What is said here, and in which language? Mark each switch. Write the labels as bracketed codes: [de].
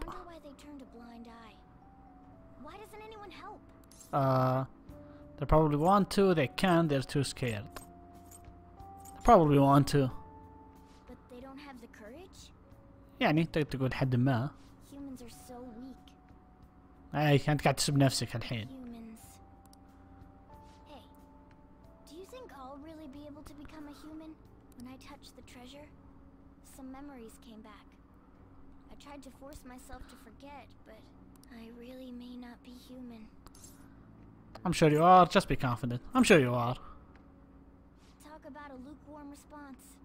[en] I wonder why they turned a blind eye. Why doesn't anyone help? They probably want to. They can. They're too scared. They probably want to. But they don't have the courage. Yeah, need to go ahead and meet. Humans are so weak. [ar] اي انت قاعد تسب نفسك الحين. [en] Hey, do you think I'll really be able to become a human when I touch the treasure? Some memories came back. I tried to force myself to forget, but I really may not be human. I'm sure you are, just be confident. I'm sure you are. Talk about a lukewarm response.